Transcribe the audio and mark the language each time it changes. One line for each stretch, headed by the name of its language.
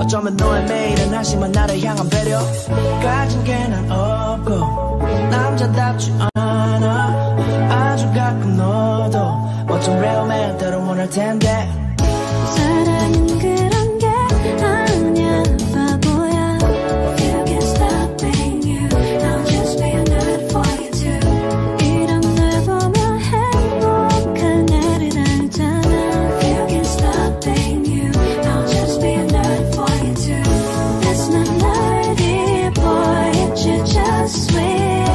Korean: 어쩌면 너의 매일은 하지만 나를 향한 배려 가진 게 난 없고 남자답지 않아 아주 가끔 너도 어쩜
English: real man
Korean: 때로 모를 텐데 사랑은 그런 게 아니야 바보야
English: If you can't stop being you I'll just be a nerd for you too
Korean: 이런 날 보면 행복한 날을 알잖아
English: If you can't stop being you I'll just be a nerd for you too That's not my dear boy it's you just sweet